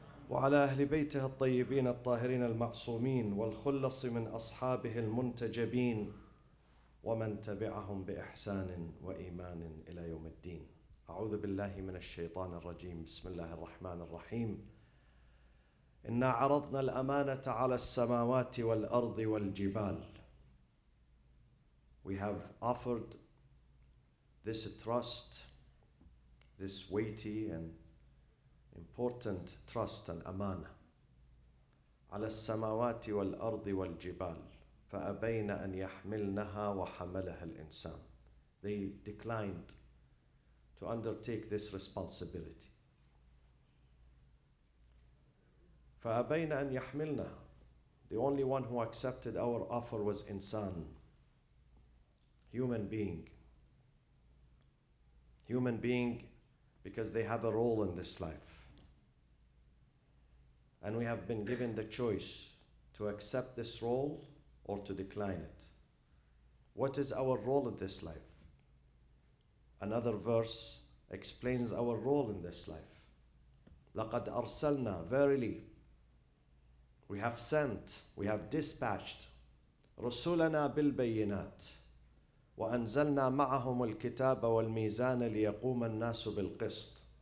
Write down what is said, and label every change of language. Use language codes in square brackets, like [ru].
[ar] وعلى أهل بيته الطيبين الطاهرين المعصومين، والخلص من أصحابه المنتجبين، ومن تبعهم بإحسان وإيمان إلى يوم الدين. أعوذ بالله من الشيطان الرجيم، بسم الله الرحمن الرحيم. إنا عرضنا الأمانة على السماوات والأرض والجبال. [en] We have offered this trust, this weighty and important trust, الأمانة. [ar] على السماوات والأرض والجبال. فأبين أن يحملنها وحملها الإنسان. [en] They declined to undertake this responsibility. [ar] فأبين أن يحملنها. [en] The only one who accepted our offer was insan, human being. Human being, because they have a role in this life. And we have been given the choice to accept this role or to decline it. What is our role in this life? Another verse explains our role in this life. [ar] لقد أرسلنا, [en] verily, we have sent, we have dispatched [ar] رسولنا بالبينات وأنزلنا معهم الكتاب والميزان ليقوم الناس بالقسط.